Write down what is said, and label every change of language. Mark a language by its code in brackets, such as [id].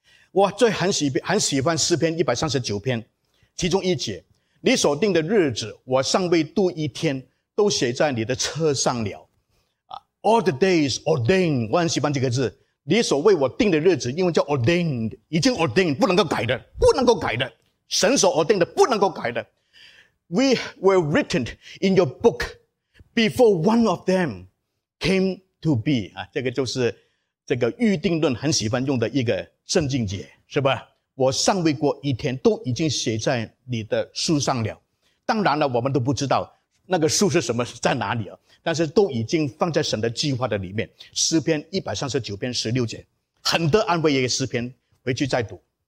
[zh] 我最很喜欢诗篇139篇其中一节，你所定的日子我尚未度一天，都写在你的册上了。 [en] All the days ordained， [zh] 我很喜欢这个字，你所为我定的日子，英文叫 ordained， 已经 ordained， 不能够改的，不能够改的，神所 ordained 的不能够改的。 [en] We were written in your book before one of themcame to be [zh] 啊，这个就是这个预定论很喜欢用的一个圣经节，是吧？我尚未过一天，都已经写在你的书上了。当然了，我们都不知道那个书是什么，在哪里啊？但是都已经放在神的计划的里面。诗篇139篇16节，很得安慰一个诗篇，回去再读。